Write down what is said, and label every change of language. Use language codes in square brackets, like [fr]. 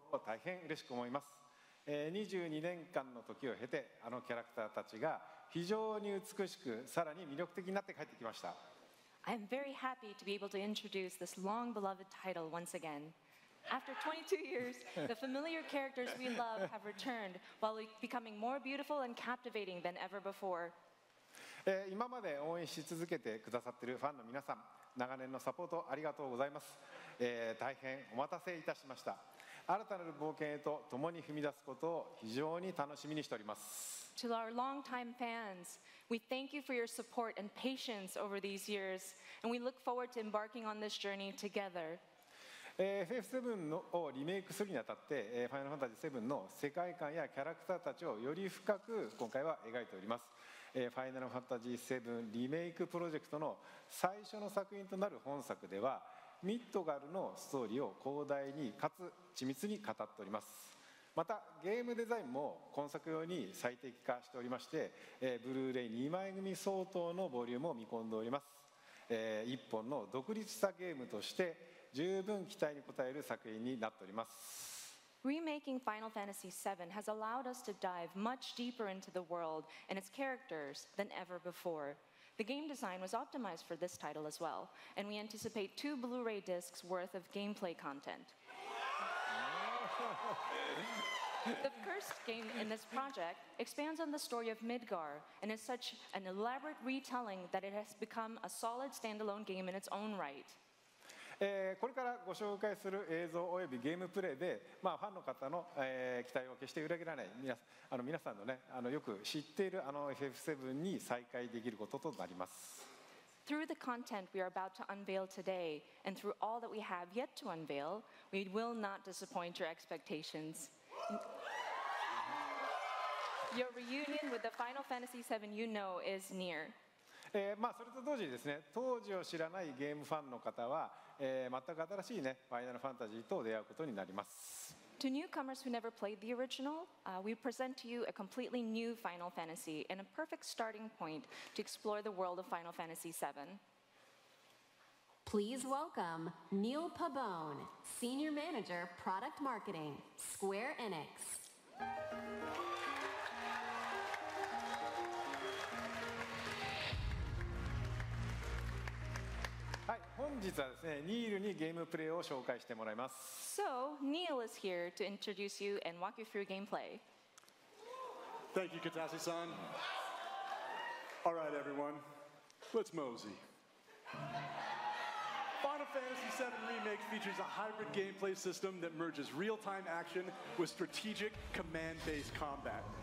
[en] I'm very happy to be able to introduce this long beloved title once again. After 22 years, the familiar characters we love have returned while becoming more beautiful and captivating than ever before. [ja] 今まで応援し続けてくださっているファンの皆さん、長年のサポートありがとうございます。大変お待たせいたしました。新たなる冒険へと共に踏み出すことを非常に楽しみにしております。 [en] To our long-time fans, we thank you for your support and patience over these years, and we look forward to embarking on this journey together. [ja] FF7 をリメイクするにあたって、Final Fantasy 7の世界観やキャラクターたちをより深く今回は描いております。 Final Fantasy 7リメイクプロジェクトの最初の作品となる本作では、ミッドガルのストーリーを広大にかつ緻密に語っております。またゲームデザインも今作用に最適化しておりまして、ブルーレイ2枚組相当のボリュームを見込んでおります。一本の独立したゲームとして十分期待に応える作品になっております。 [en] Remaking Final Fantasy VII has allowed us to dive much deeper into the world and its characters than ever before. The game design was optimized for this title as well, and we anticipate two Blu-ray discs worth of gameplay content. The first game in this project expands on the story of Midgar and is such an elaborate retelling that it has become a solid standalone game in its own right. [ja] これからご紹介する映像およびゲームプレイで、まあ、ファンの方の、期待を決して裏切らない皆さんの、ね、よく知っているFF7 に再会できることとなります。 [en] Through the content we are about to unveil today and through all that we have yet to unveil, we will not disappoint your expectations. Your reunion with the Final Fantasy VII you know is near. [ja] まあ、それと同時にですね、当時を知らないゲームファンの方は、全く新しいね、ファイナルファンタジーと出会うことになります。 [en] To newcomers who never played the original, we present to you a completely new Final Fantasy and a perfect starting point to explore the world of Final Fantasy VII. Please welcome Neil Pabone, Senior Manager, Product Marketing, Square Enix. [ja] はい、本日はですね、ニールにゲームプレイを紹介してもらいます。 [en] So, Neil is here to introduce you and walk you through gameplay. Thank you, Kitase-san. All right, everyone, let's mosey. Final Fantasy VII Remake features a hybrid gameplay system that merges real-time action with strategic command-based combat.